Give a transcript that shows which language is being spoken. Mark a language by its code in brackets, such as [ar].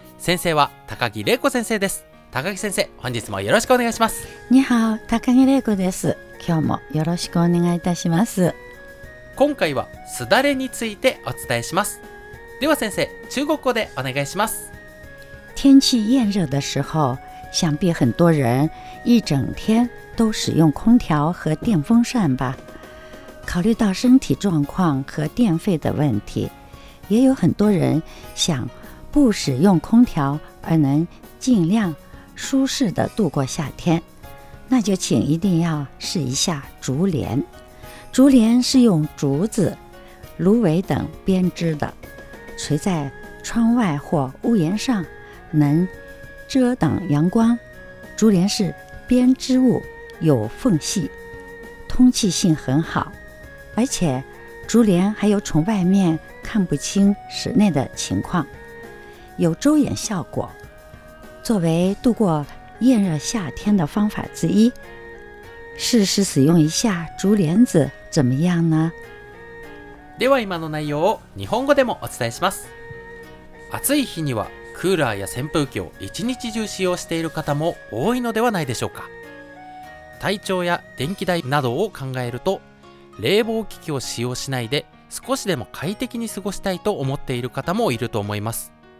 [ja] 先生は高木玲子先生です。高木先生、本日もよろしくお願いします。 [zh] 你好、 [ja] 高木玲子です。今日もよろしくお願いいたします。今回はすだれについてお伝えします。では先生、中国語でお願いします。 [zh] 天气炎热的时候，想必很多人一整天都使用空调和电风扇吧。考虑到身体状况和电费的问题，也有很多人想不使用空调而能尽量舒适地度过夏天，那就请一定要试一下竹帘。竹帘是用竹子、芦苇等编织的，垂在窗外或屋檐上，能遮挡阳光。竹帘是编织物，有缝隙，通气性很好，而且竹帘还有从外面看不清室内的情况，有遮掩效果，作为度过炎热夏天的方法之一，试试使用一下竹帘子怎么样呢？ [ja] では今の内容を日本語でもお伝えします。暑い日にはクーラーや扇風機を一日中使用している方も多いのではないでしょうか。体調や電気代などを考えると、冷房機器を使用しないで少しでも快適に過ごしたいと思っている方もいると思います。